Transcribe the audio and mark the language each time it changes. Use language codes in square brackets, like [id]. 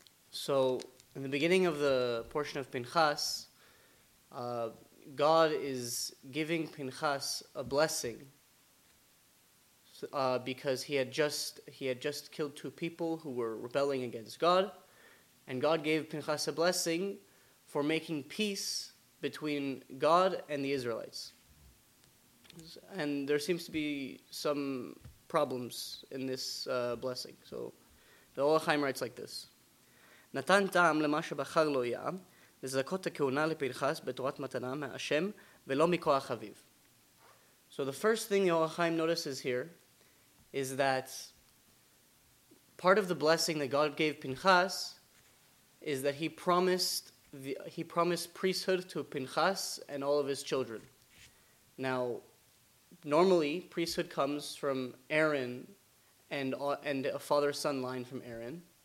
[en] So in the beginning of the portion of Pinchas, God is giving Pinchas a blessing because he had just killed two people who were rebelling against God, and God gave Pinchas a blessing for making peace between God and the Israelites. And there seems to be some problems in this blessing. So the Or HaChaim writes like this. [he] נתן טעם למה שבחר לו יהיה, לזכות הכהונה לפנחס בתורת מתנה מהשם, ולא מכוח אביו. [en] So the first thing the Or HaChaim notices here is that part of the blessing that God gave Pinchas is that he promised priesthood to Pinchas and all of his children. Now, normally, priesthood comes from Aaron and a father-son line from Aaron.